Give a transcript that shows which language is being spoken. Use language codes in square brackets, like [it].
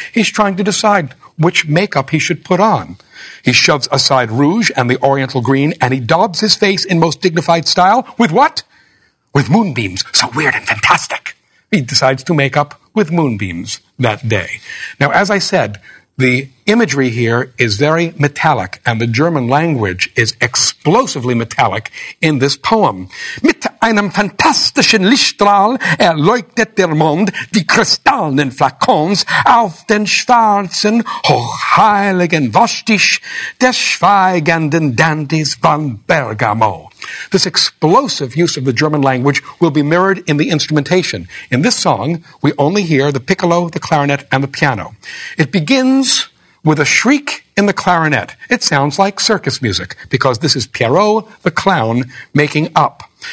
[en] He's trying to decide which makeup he should put on. He shoves aside rouge and the oriental green, and he daubs his face in most dignified style with what? With moonbeams, so weird and fantastic. He decides to make up with moonbeams that day. Now, as I said, the imagery here is very metallic, and the German language is explosively metallic in this poem. [de] Mit einem fantastischen Lichtstrahl erleuchtet der Mond die kristallnen Flakons auf den schwarzen, hochheiligen Waschtisch des schweigenden Dandys von Bergamo. [en] This explosive use of the German language will be mirrored in the instrumentation. In this song, we only hear the piccolo, the clarinet, and the piano. It begins with a shriek in the clarinet. It sounds like circus music, because this is Pierrot the clown making up.